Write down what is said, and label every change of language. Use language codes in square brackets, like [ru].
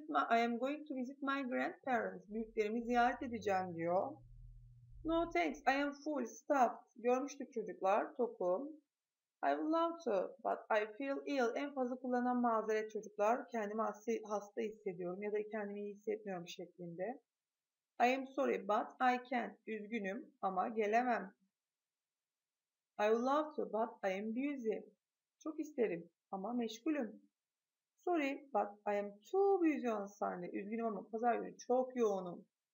[en] I am going to visit my grandparents. [tr] Büyüklerimi ziyaret edeceğim diyor. [en] No thanks. I am full. Stuffed. Görmüştük çocuklar. Tokum. I would love to, but I feel ill. [tr] En fazla kullanılan mazeret çocuklar. Kendimi hasta hissediyorum ya da kendimi iyi hissetmiyorum şeklinde. [en] I am sorry, but I can't. Üzgünüm ama gelemem. I would love to, but I am busy. [tr] Çok isterim ama meşgulüm. [en] Sorry, but I am too busy on Sunday. [tr] Üzgünüm ama pazar günü çok yoğunum.